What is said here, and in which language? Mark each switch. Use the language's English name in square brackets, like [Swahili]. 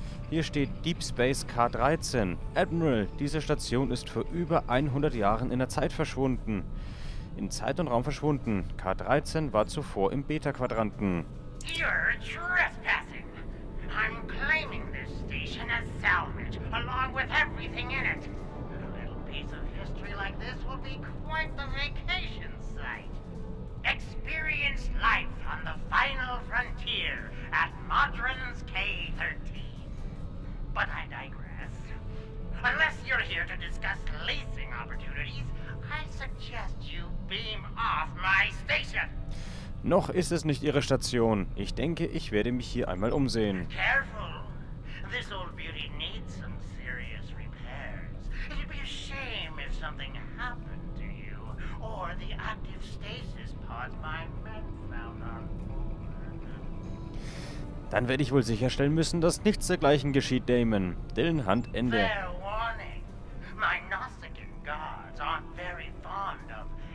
[German] Hier steht Deep Space K-13. Admiral, diese Station ist vor über 100 Jahren in der Zeit verschwunden. In Zeit und Raum verschwunden. K-13 war zuvor im Beta-Quadranten. [English] You're trespassing. I'm claiming this station as salvage, along with everything in it. A little piece of history like this will be quite the vacation site. Experience life on the final frontier at Modrons K-13. But I digress. Unless you're here to discuss leasing opportunities, I suggest you beam off my station. [German] Noch ist es nicht Ihre Station. Ich denke, ich werde mich hier einmal umsehen. [English] Careful! This old beauty needs some serious repairs. It'd be a shame if something happened to you or the active stasis pod my men found on board. [German] Dann werde ich wohl sicherstellen müssen, dass nichts dergleichen geschieht, Damon. Dillen Hand, Ende. [English] Fair warning. My Nausicaan guards aren't very fond of.